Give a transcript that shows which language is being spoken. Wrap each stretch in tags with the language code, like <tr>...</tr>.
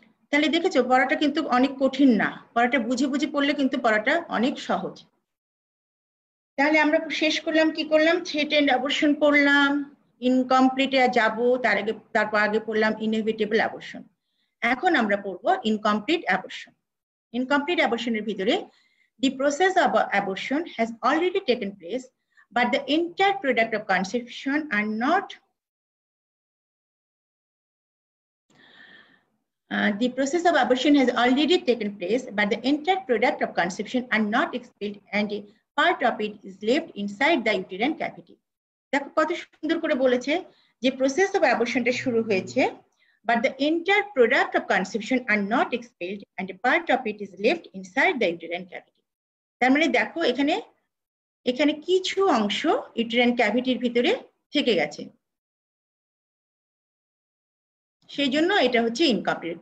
<bn>তাহলে দেখেছো পড়াটা কিন্তু অনেক কঠিন না, পড়াটা বুঝে বুঝে পড়লে কিন্তু পড়াটা অনেক সহজ। তাহলে আমরা শেষ করলাম কি করলাম, থ্রেটেন্ড অ্যাবর্শন পড়লাম, ইনকমপ্লিটে যাবো তার আগে, তারপর আগে পড়লাম ইনএভিটেবল অ্যাবর্শন, এখন আমরা পড়বো ইনকমপ্লিট অ্যাবর্শন। ইনকমপ্লিট অ্যাবর্শনের ভিতরে</bn> <en>the process of abortion has already taken place but the entire product of conception are not the process of abortion has already taken place but the entire product of conception are not expelled and a part of it is left inside the uterine cavity</en> <bn>দেখো কত সুন্দর করে বলেছে যে</bn> <en>process of অ্যাবর্শনটা</en> <bn>শুরু হয়েছে</bn> <en>But the entire product of conception are not expelled and part of it is left inside the uterine cavity.</en> <bn>তার মানে দেখো এখানে এখানে কিছু অংশ ইউটেরাইন ক্যাভিটির ভিতরে থেকে গেছে, সেই জন্য এটা হচ্ছে ইনকমপ্লিট।</bn>